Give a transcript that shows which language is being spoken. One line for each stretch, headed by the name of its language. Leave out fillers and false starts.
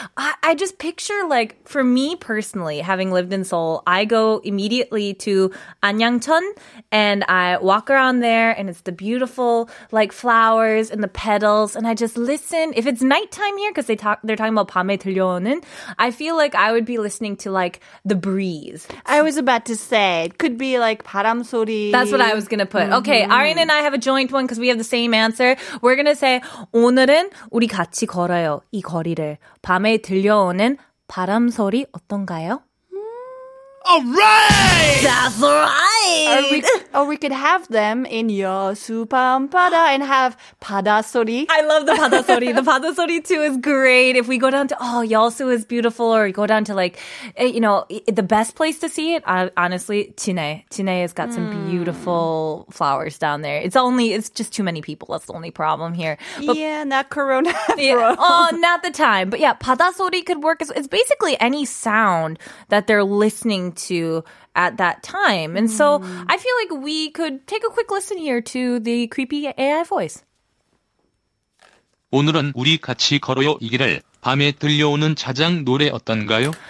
English: I just picture, like, for me personally, having lived in Seoul, I go immediately to Anyangchon and I walk around there and it's the beautiful, like, flowers and the petals. And I just listen. If it's nighttime here, because they're talking about
Korean: 밤에 들려오는,
English: I feel like I would be listening to, like, the breeze. I was about to say, it could be like
Korean: 바람 소리.
English: That's what I was going to put. Mm-hmm. Okay, Aryan and I have a joint one because we have the same answer. We're going to say,
Korean: 오늘은 우리 같이 걸어요, 이 거리를. 밤에 들려오는 바람 소리 어떤가요?
English: All right! That's right! Or we could have them in your supam pada and have pada sori. I love the pada sori. The pada sori too is great. If we go down to, oh, Yeosu is beautiful, or we go down to, like, you know, the best place to see it, honestly, Chinhae. Chinhae has got some beautiful flowers down there. It's just too many people. That's the only problem here. But, yeah, not corona. Yeah. Oh, not the time. But yeah, pada sori could work. It's basically any sound that they're listening to at that time. And so I feel like we could take a quick listen here to the creepy AI voice.
Korean: 오늘은 우리 같이 걸어요 이 길을 밤에 들려오는 자장 노래 어떤가요?